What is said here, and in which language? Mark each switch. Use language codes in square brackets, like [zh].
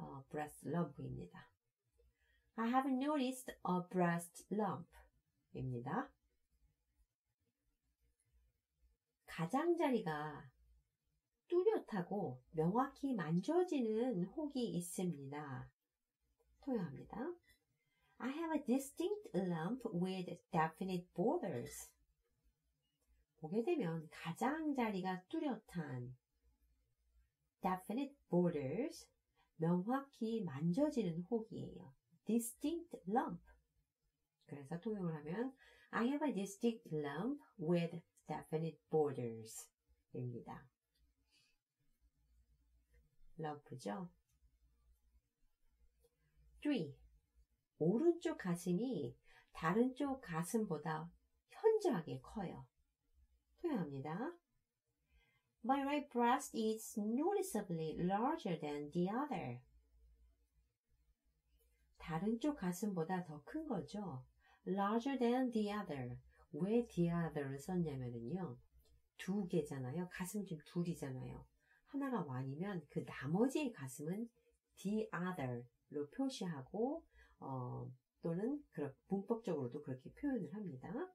[en] Breast lump [ko] 입니다. [en] I have noticed a breast lump입니다. [ko] 가장자리가 뚜렷하고 명확히 만져지는 혹이 있습니다. 통역합니다. [en] I have a distinct lump with definite borders. [ko] 보게 되면 가장자리가 뚜렷한 [en] definite borders [ko] 명확히 만져지는 혹이에요. [en] Distinct lump. [ko] 그래서 통역을 하면 [en] I have a distinct lump with definite borders [ko] 입니다. 럼프죠. 3. 오른쪽 가슴이 다른 쪽 가슴보다 현저하게 커요. 통역합니다. [en] My right breast is noticeably larger than the other. [ko] 다른 쪽 가슴보다 더 큰 거죠. [en] Larger than the other. [ko] 왜 [en] the other를 썼냐면요. [ko] 두 개잖아요. 가슴 지금 둘이잖아요. 하나가 1이면 그 나머지의 가슴은 [en] the other [ko] 로 표시하고 또는 문법적으로도 그렇게 표현을 합니다.